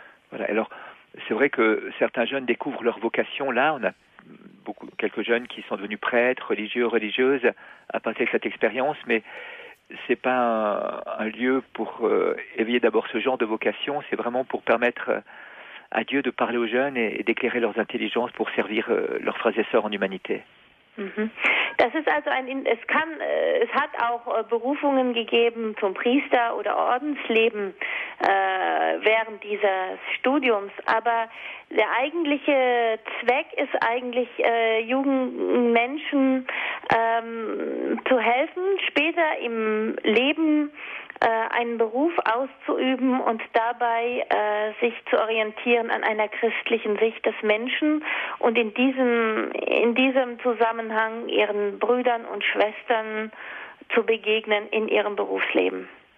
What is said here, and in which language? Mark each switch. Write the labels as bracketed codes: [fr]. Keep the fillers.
[fr] Voilà. Alors, c'est vrai que certains jeunes découvrent leur vocation. Là, on a beaucoup, quelques jeunes qui sont devenus prêtres, religieux, religieuses à partir de cette expérience, mais c'est pas un, un lieu pour euh, éveiller d'abord ce genre de vocation. C'est vraiment pour permettre euh, à Dieu de parler aux jeunes et, et d'éclairer leurs intelligences pour servir euh, leurs frères et sœurs en humanité. Mhm. [de] Das ist also ein, es kann, äh, es hat auch äh, Berufungen gegeben zum Priester oder Ordensleben äh, während dieses Studiums, aber der eigentliche Zweck ist eigentlich, äh, jungen Menschen ähm, zu helfen, später im Leben äh, einen Beruf auszuüben und dabei äh, sich zu orientieren an einer christlichen Sicht des Menschen und in diesem, in diesem Zusammenhang ihren Brüdern und Schwestern zu begegnen in ihrem Berufsleben.